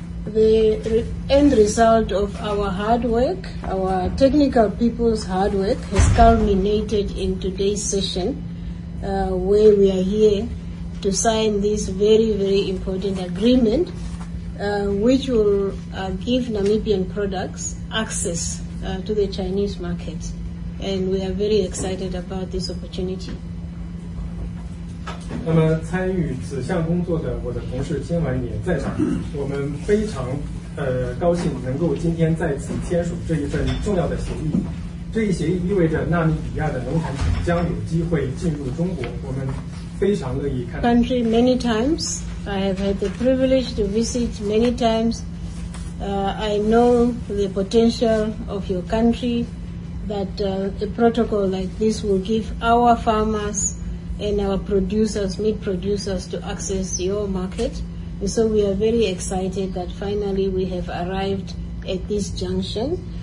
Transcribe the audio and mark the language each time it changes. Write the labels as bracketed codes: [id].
[en] The end result of our hard work, our technical people's hard work, has culminated in today's session, where we are here to sign this very, very important agreement, which will give Namibian products access to the Chinese market. And we are very excited about this opportunity. [zh] 那么参与此项工作的我的同事今晚也在场，我们非常高兴能够今天在此签署这一份重要的协议。这一协议意味着纳米比亚的农产品将有机会进入中国，我们非常乐意看到。 [en] Country many times, I have had the privilege to visit many times. I know the potential of your country, that a protocol like this will give our farmers and our producers, meat producers, to access your market. And so we are very excited that finally we have arrived at this junction.